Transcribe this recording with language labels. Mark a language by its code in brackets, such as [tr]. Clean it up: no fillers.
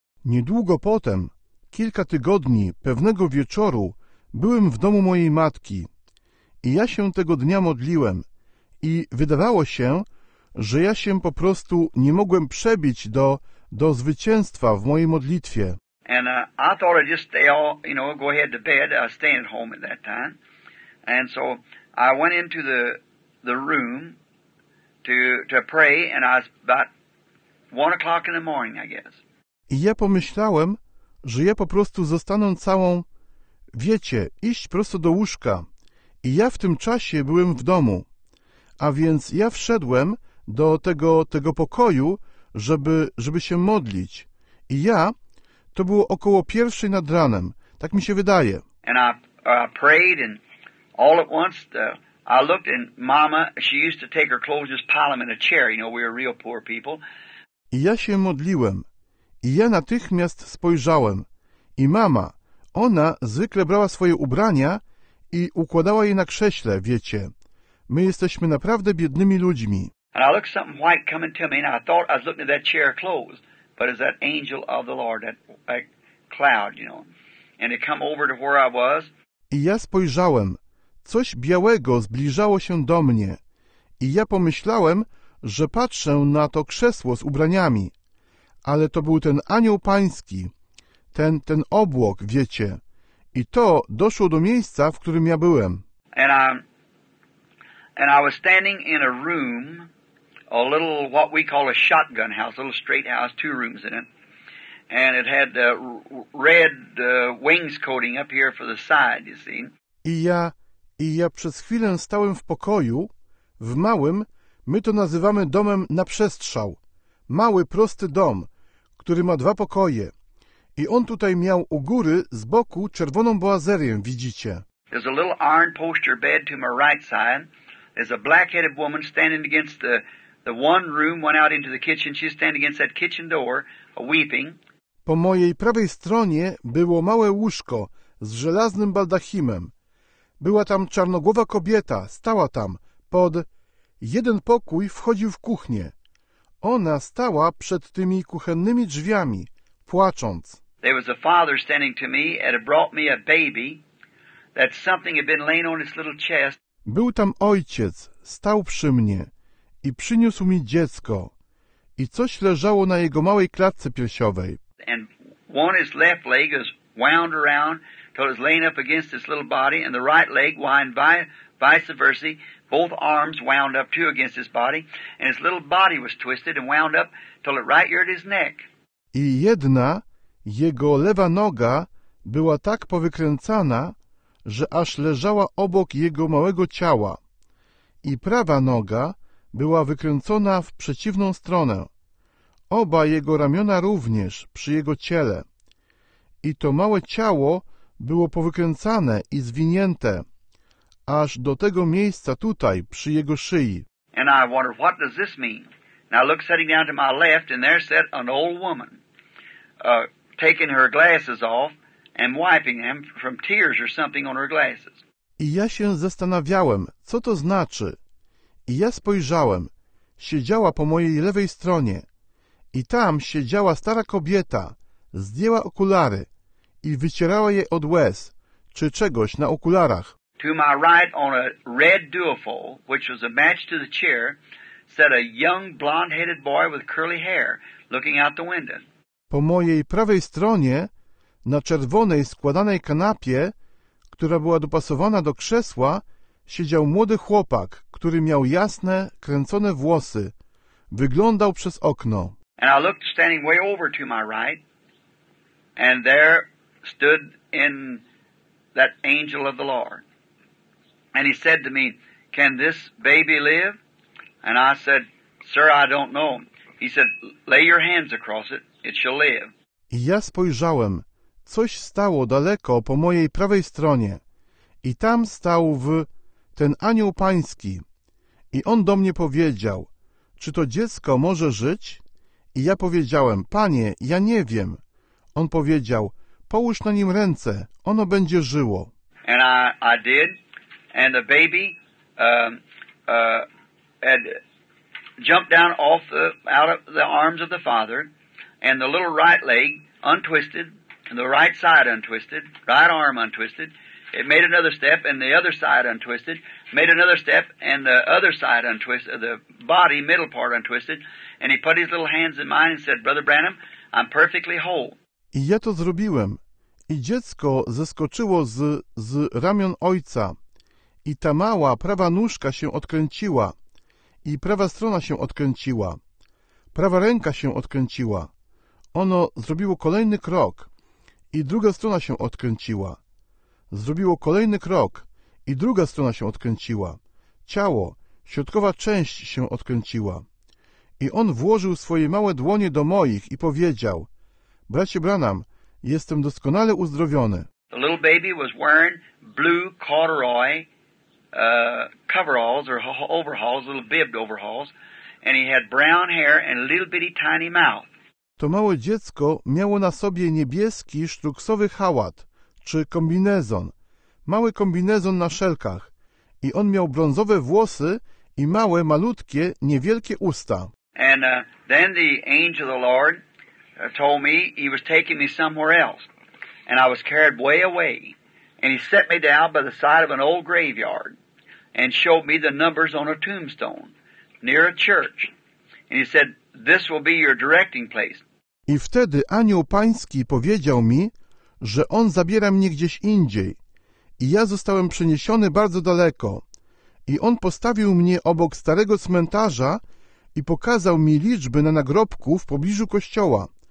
[pl] Niedługo potem, kilka tygodni, pewnego wieczoru, byłem w domu mojej matki. I ja się tego dnia modliłem. I wydawało się, że ja się po prostu nie mogłem przebić do zwycięstwa w mojej modlitwie. [en] And I thought I'd just stay all, you know, go ahead to bed. I stayed at home at that time. And so I went into the room to pray, and I was about 1 o'clock in the morning, I guess. [pl] I ja pomyślałem, że ja po prostu zostanę całą, wiecie, iść prosto do łóżka. I ja w tym czasie byłem w domu. A więc ja wszedłem do tego pokoju, żeby się modlić. I ja, to było około 1 nad ranem, tak mi się wydaje. [en] And I prayed, and all at once, I looked, and Mama, she used to take her clothes, just pile them in a chair, you know, we were real poor people. [pl] I ja się modliłem. I ja natychmiast spojrzałem. I mama, ona zwykle brała swoje ubrania i układała je na krześle, wiecie. My jesteśmy naprawdę biednymi ludźmi. [en] And I looked something white coming to me, and I thought I was looking at that chair closed, but it's that angel of the Lord, that cloud, you know. And it come over to where I was. [pl] I ja spojrzałem. Coś białego zbliżało się do mnie. I ja pomyślałem, że patrzę na to krzesło z ubraniami. Ale to był ten anioł pański, ten obłok, wiecie. I to doszło do miejsca, w którym ja byłem. [en] And I was standing in a room, a little what we call a shotgun house, a little straight house, two rooms in it. and it had the red wings coating up here for the side, you see. [pl] I ja przez chwilę stałem w pokoju, w małym, my to nazywamy domem na przestrzał. Mały, prosty dom, który ma dwa pokoje. I on tutaj miał u góry, z boku, czerwoną boazerię, widzicie. [en] There's a little iron poster bed to my right side. There's a black-headed woman standing against the one room, went out into the kitchen. She's standing against that kitchen door, weeping. [pl] Po mojej prawej stronie było małe łóżko z żelaznym baldachimem. Była tam czarnogłowa kobieta, stała tam, pod jeden pokój wchodził w kuchnię. Ona stała przed tymi kuchennymi drzwiami, płacząc. [en] There was a father standing to me and it brought me a baby that something had been laying on his little chest. [pl] Był tam ojciec, stał przy mnie i przyniósł mi dziecko i coś leżało na jego małej klatce piersiowej. [en] And one his left leg is wound around till it's laying up against his little body and the right leg wound vice versa, both arms wound up too against his body and his little body was twisted and wound up till it right here at his neck. [pl] I jedna jego lewa noga była tak powykręcana, że aż leżała obok jego małego ciała. I prawa noga była wykręcona w przeciwną stronę. Oba jego ramiona również przy jego ciele. I to małe ciało było powykręcane i zwinięte aż do tego miejsca tutaj, przy jego szyi. [en] And I wonder, what does this mean? Now look, sitting down to my left, and there sat an old woman, taking her glasses off and wiping them from tears or something on her glasses. [pl] I ja się zastanawiałem, co to znaczy. I ja spojrzałem. Siedziała po mojej lewej stronie. I tam siedziała stara kobieta. Zdjęła okulary i wycierała je od łez czy czegoś na okularach. [en] To my right on a red duofold, which was a match to the chair, sat a young blonde-headed boy with curly hair looking out the window. [pl] Po mojej prawej stronie, na czerwonej składanej kanapie, która była dopasowana do krzesła, siedział młody chłopak, który miał jasne, kręcone włosy. Wyglądał przez okno. [en] And I looked standing way over to my right, and there stood in that angel of the Lord. And he said to me, can this baby live? And I said, sir, I don't know. He said, lay your hands across it. It shall live. [pl] I ja spojrzałem. Coś stało daleko po mojej prawej stronie. I tam stał w ten anioł pański. I on do mnie powiedział, czy to dziecko może żyć? I ja powiedziałem, panie, ja nie wiem. On powiedział, połóż na nim ręce, ono będzie żyło. [en] And I did. And the baby had jumped down off out of the arms of the father. And the little right leg untwisted, and the right side untwisted, right arm untwisted. It made another step, and the other side untwisted. Made another step, and the other side untwisted, the body, middle part untwisted. And he put his little hands in mine and said, Brother Branham, I'm perfectly whole. [pl] I ja to zrobiłem. I dziecko zeskoczyło z ramion ojca. I ta mała prawa nóżka się odkręciła. I prawa strona się odkręciła. Prawa ręka się odkręciła. Ono zrobiło kolejny krok i druga strona się odkręciła. Zrobiło kolejny krok i druga strona się odkręciła. Ciało, środkowa część się odkręciła. I on włożył swoje małe dłonie do moich i powiedział, bracie Branham, jestem doskonale uzdrowiony. [en] The little baby was wearing blue corduroy coveralls or overalls, little bibbed overalls, and he had brown hair and a little bitty tiny mouth. [pl] To małe dziecko miało na sobie niebieski sztruksowy hałat, czy kombinezon. Mały kombinezon na szelkach. I on miał brązowe włosy i małe, malutkie, niewielkie usta. [en] And then the angel of the Lord told me he was taking me somewhere else. And I was carried way away. And he set me down by the side of an old graveyard and showed me the numbers on a tombstone near a church. And he said, this will be your directing place. [pl] I wtedy anioł pański powiedział mi, że on zabiera mnie gdzieś indziej. I ja zostałem przeniesiony bardzo daleko. I on postawił mnie obok starego cmentarza i pokazał mi liczby na nagrobku w pobliżu kościoła.